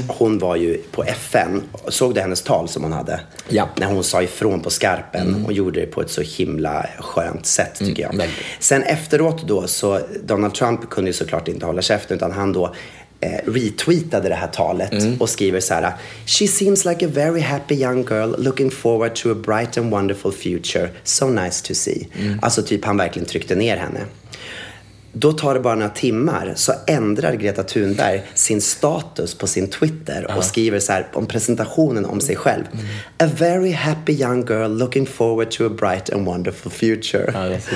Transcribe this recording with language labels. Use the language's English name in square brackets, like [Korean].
[Swedish] Hon var ju på FN. Såg du hennes tal som hon hade? Ja. När hon sa ifrån på skarpen. Mm. Och gjorde det på ett så himla skönt sätt, tycker jag. Mm. Sen efteråt då, så Donald Trump kunde ju såklart inte hålla käften, utan han då retweetade det här talet. Mm. Och skriver så här: [English] "She seems like a very happy young girl looking forward to a bright and wonderful future. So nice to see." Mm. [Swedish] Alltså typ han verkligen tryckte ner henne. Då tar det bara några timmar så ändrar Greta Thunberg sin status på sin Twitter och skriver så här om presentationen om sig själv: [English] "A very happy young girl looking forward to a bright and wonderful future."